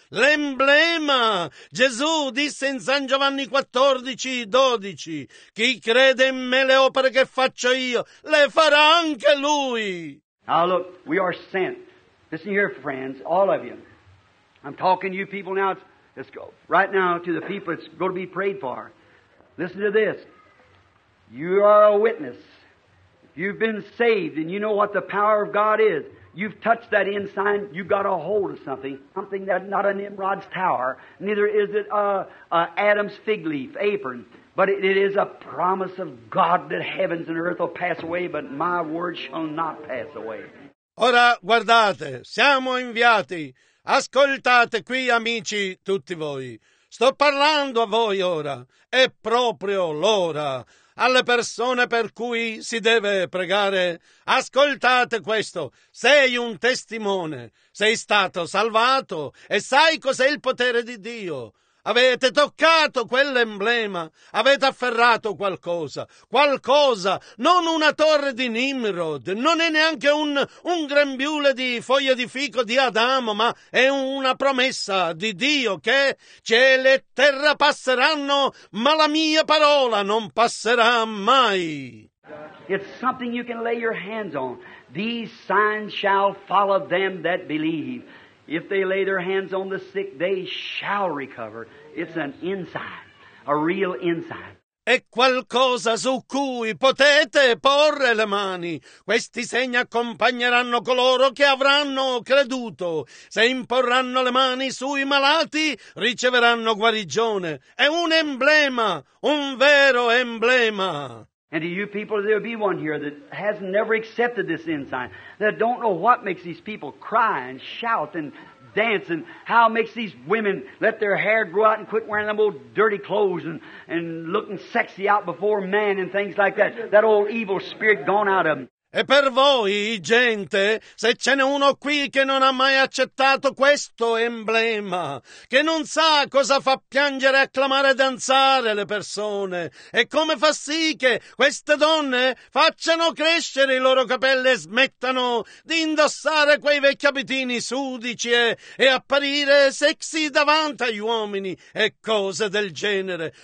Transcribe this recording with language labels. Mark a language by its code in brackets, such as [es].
[it] L'emblema. Gesù disse in San Giovanni 14:12, "Chi crede in me le opere che faccio io, le farà anche lui." [en] Now look, we are sent. Listen here, friends, all of you. I'm talking to you people now. Let's go. Right now to the people that's going to be prayed for. Listen to this. You are a witness. You've been saved and you know what the power of God is. You've touched that inside. You've got a hold of something. Something that's not a Nimrod's tower. Neither is it a Adam's fig leaf apron. But it is a promise of God that heavens and earth will pass away, but my word shall not pass away. [it] Ora guardate, siamo inviati. Ascoltate qui, amici, tutti voi. Sto parlando a voi ora. È proprio l'ora. Alle persone per cui si deve pregare, ascoltate questo. Sei un testimone. Sei stato salvato e sai cos'è il potere di Dio. Avete toccato quell'emblema, avete afferrato qualcosa, qualcosa, non una torre di Nimrod, non è neanche un grembiule di foglie di fico di Adamo, ma è una promessa di Dio che cielo e terra passeranno, ma la mia parola non passerà mai. [en] It's something you can lay your hands on. These signs shall follow them that believe. If they lay their hands on the sick, they shall recover. It's an inside, a real inside. [it] È qualcosa su cui potete porre le mani. Questi segni accompagneranno coloro che avranno creduto. Se imporranno le mani sui malati, riceveranno guarigione. È un emblema, un vero emblema. [en] And to you people, there'll be one here that has never accepted this ensign, that don't know what makes these people cry and shout and dance, and how it makes these women let their hair grow out and quit wearing them old dirty clothes and looking sexy out before men and things like that. That old evil spirit gone out of them. [it] E per voi, gente, se ce n'è uno qui che non ha mai accettato questo emblema, che non sa cosa fa piangere, acclamare e danzare le persone, e come fa sì che queste donne facciano crescere i loro capelli e smettano di indossare quei vecchi abitini sudici e apparire sexy davanti agli uomini e cose del genere.